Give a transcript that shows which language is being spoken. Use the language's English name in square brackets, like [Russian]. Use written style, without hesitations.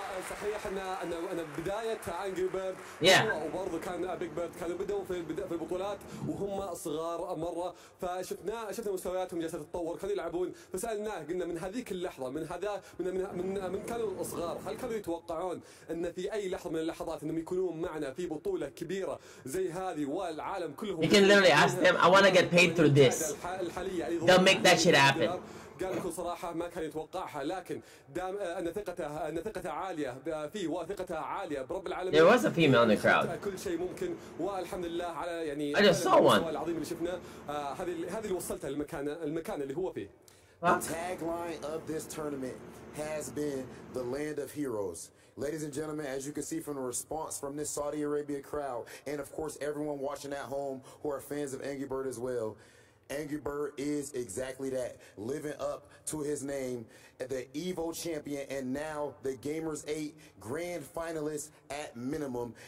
[Arabic] صحيح ان بدايه انجري بيرد وبرضه كان بيج بيرد كانوا بداوا في البطولات وهم صغار مره فشفنا مستوياتهم جالسه تتطور كانوا يلعبون فسالناه قلنا من هذيك اللحظه من هذا من من من, من كانوا صغار هل كانوا يتوقعون ان في اي لحظه من اللحظات انهم يكونون معنا في بطوله كبيره زي هذه والعالم كلهم [English] You can literally ask them I want to get paid through this They'll make that shit happen [Arabic] قال لكم صراحة ما كان يتوقعها لكن دام ان ثقته عالية فيه وثقته عالية برب العالمين [English] There was a female in the crowd [Arabic] كل شيء ممكن والحمد لله على يعني [English] I just saw one [Arabic] العظيم اللي شفناه هذه اللي وصلتها المكان اللي هو فيه [English] The tagline of this tournament has been the land of heroes Ladies and gentlemen, as you can see from the response from this Saudi Arabia crowd and of course everyone watching at home who are fans of Angry Bird as well Angry Bird is exactly that, living up to his name, the Evo champion, and now the Gamers 8 grand finalist at minimum.